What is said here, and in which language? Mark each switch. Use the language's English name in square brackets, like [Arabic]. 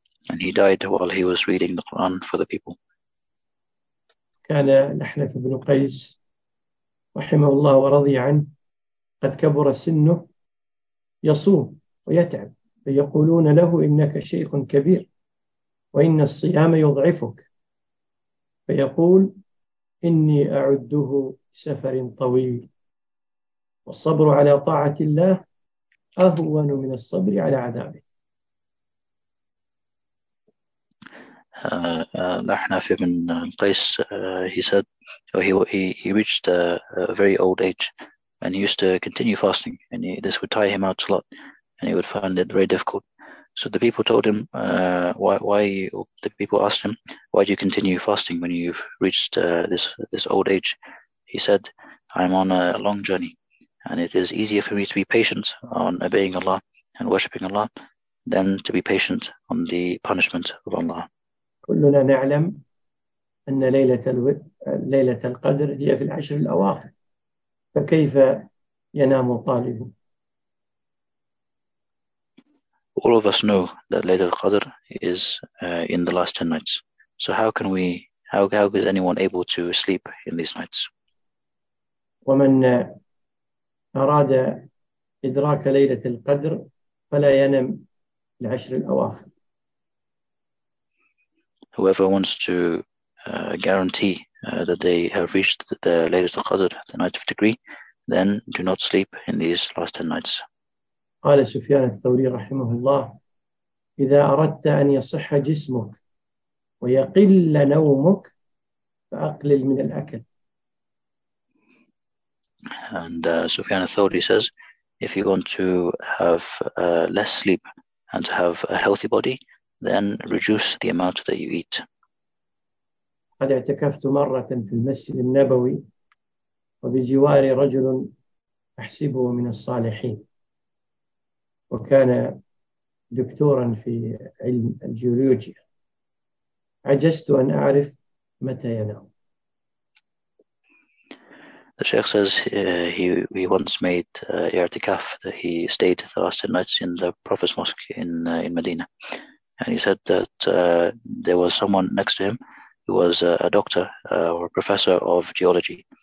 [English] And he died while he was reading the Quran for the people. [Arabic] كان الأحنف بن قيس رحمه الله ورضي عنه قد كبر سنه يصوم ويتعب فيقولون له إنك شيخ كبير وإن الصيام يضعفك فيقول إني أعده سفر طويل والصبر على طاعة الله أهون من الصبر على عذابه. [English] الأحنف بن قيس he said he reached a very old age and he used to continue fasting and this would tire him out a lot and he would find it very difficult. So the people told him, the people asked him, why do you continue fasting when you've reached this old age? He said, I'm on a long journey and it is easier for me to be patient on obeying Allah and worshipping Allah than to be patient on the punishment of Allah. [Arabic] كلنا نعلم أن ليلة القدر هي في العشر الأواخر فكيف ينام طالب؟ [English] All of us know that Laylatul Qadr is in the last 10 nights. So how is anyone able to sleep in these nights? [Arabic] ومن أراد إدراك ليلة القدر فلا ينام العشر الأواخر. [English] Whoever wants to guarantee that they have reached the Laylatul Qadr, the night of degree, then do not sleep in these last 10 nights. [Arabic] قال سفيان الثوري رحمه الله إذا أردت أن يصح جسمك ويقل نومك فأقلل من الأكل. [English] And سفيان الثوري says, if you want to have less sleep and to have a healthy body, then reduce the amount that you eat. [Arabic] قد اعتكفت مرة في المسجد النبوي وبجواري رجل أحسبه من الصالحين وكان دكتورا في علم الجيولوجيا عجزت أن أعرف متى ينام. [English] The Sheikh says he once made i'tikaf that he stayed the last 10 nights in the Prophet's mosque in Medina. And he said that there was someone next to him who was a doctor or a professor of geology.